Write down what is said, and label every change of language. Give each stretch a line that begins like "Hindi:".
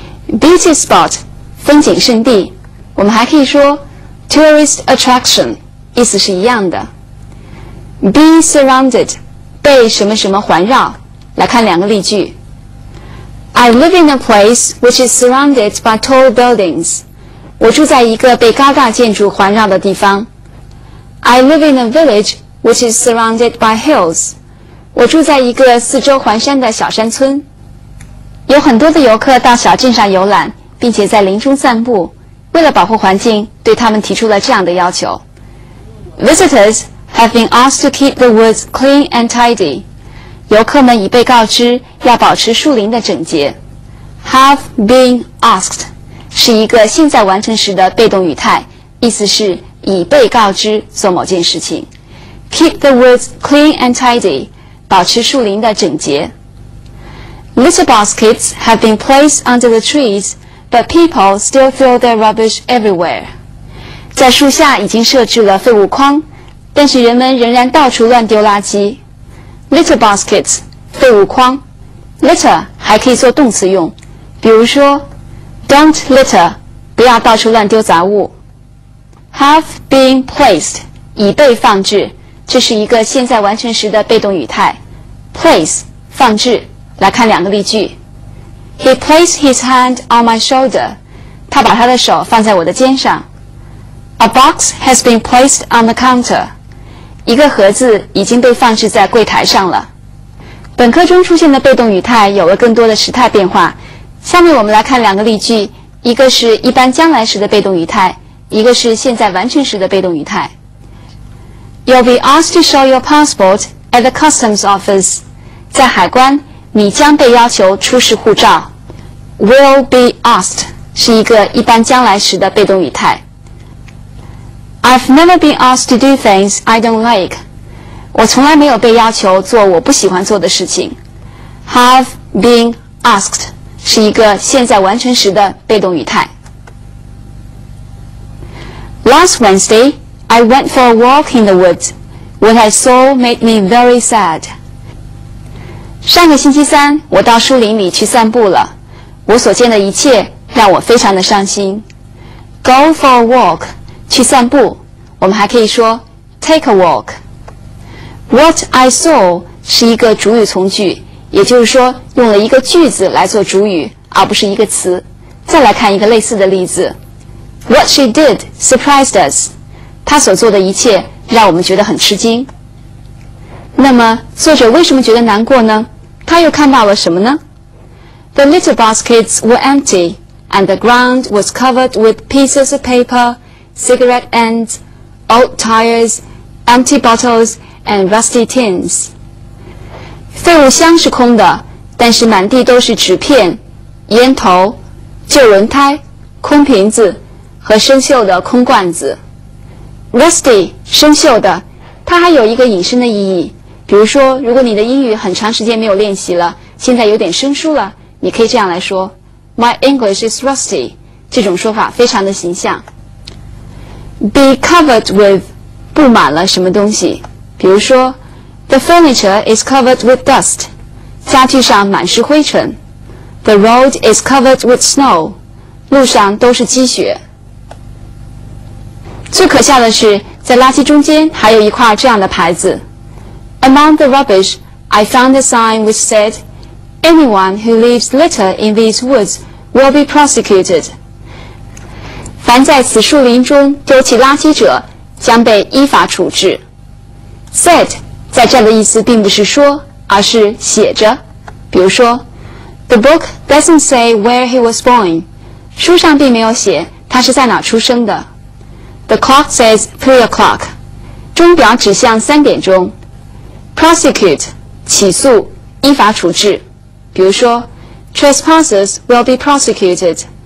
English: Beauty spot,
Chinese: 风景胜地。我们还可以说
English: tourist attraction,
Chinese: 意思是一样的。
English: Be surrounded,
Chinese: 被什么什么环绕。来看两个例句。
English: I live in a place which is surrounded by tall buildings.
Chinese: 我住在一个被高大建筑环绕的地方。
English: I live in a village which is surrounded by hills.
Chinese: 我住在一个四周环山的小山村。有很多的游客到小镇上游览，并且在林中散步，为了保护环境，对他们提出了这样的要求。
English: Visitors have been asked to keep the woods clean and tidy.
Chinese: 游客们已被告知要保持树林的整洁。
English: Have been asked
Chinese: 是一个现在完成时的被动语态，意思是已被告知做某件事情。
English: Keep the woods clean and tidy,
Chinese: 保持树林的整洁。
English: Litter baskets have been placed under the trees, but people still throw their rubbish everywhere.
Chinese: 在树下已经设置了废物筐，但是人们仍然到处乱丢垃圾。
English: Litter baskets,
Chinese: 废物筐。Litter 还可以做动词用，比如说
English: Don't litter,
Chinese: 不要到处乱丢杂物。
English: Have been placed,
Chinese: 已被放置，这是一个现在完成时的被动语态。
English: Place,
Chinese: 放置。来看两个例句。
English: He placed his hand on my shoulder.
Chinese: 他把他的手放在我的肩上。
English: A box has been placed on the counter.
Chinese: 一个盒子已经被放置在柜台上了。本课中出现的被动语态有了更多的时态变化。下面我们来看两个例句，一个是一般将来时的被动语态，一个是现在完成时的被动语态。
English: You'll be asked to show your passport at the customs office.
Chinese: 在海关你将被要求出示护照。
English: Will be asked
Chinese: 是一个一般将来时的被动语态。
English: I've never been asked to do things I don't like.
Chinese: 我从来没有被要求做我不喜欢做的事情。
English: Have been asked
Chinese: 是一个现在完成时的被动语态。
English: Last Wednesday, I went for a walk in the woods. What I saw made me very sad.
Chinese: 上个星期三，我到树林里去散步了。我所见的一切让我非常的伤心。
English: Go for a walk,
Chinese: 去散步。我们还可以说
English: take a walk。 What I saw
Chinese: 是一个主语从句，也就是说用了一个句子来做主语，而不是一个词。再来看一个类似的例子。
English: What she did surprised us.
Chinese: 她所做的一切让我们觉得很吃惊。那么作者为什么觉得难过呢？她又看到了什么呢？
English: The little baskets were empty, and the ground was covered with pieces of paper, cigarette ends, old tires, empty bottles,and rusty tins.
Chinese: 废物箱是空的，但是满地都是纸片、烟头、旧轮胎、空瓶子和生锈的空罐子。 Rusty, 生锈的，它还有一个引申的意义。比如说，如果你的英语很长时间没有练习了，现在有点生疏了，你可以这样来说
English: My English is rusty.
Chinese: 这种说法非常的形象。
English: Be covered with,
Chinese: 布满了什么东西。比如说
English: The furniture is covered with dust.
Chinese: 家具上满是灰尘。
English: The road is covered with snow.
Chinese: 路上都是积雪。最可笑的是在垃圾中间还有一块这样的牌子。
English: Among the rubbish, I found a sign which said, Anyone who leaves litter in these woods will be prosecuted.
Chinese: 凡在此树林中丢弃垃圾者将被依法处置。 Said 在这的意思并不是说，而是写着。比如说
English: The book doesn't say where he was born.
Chinese: 书上并没有写他是在哪出生的。
English: The clock says 3 o'clock.
Chinese: 钟表指向三点钟。 Prosecute 起诉，依法处置。比如说
English: Trespassers will be prosecuted.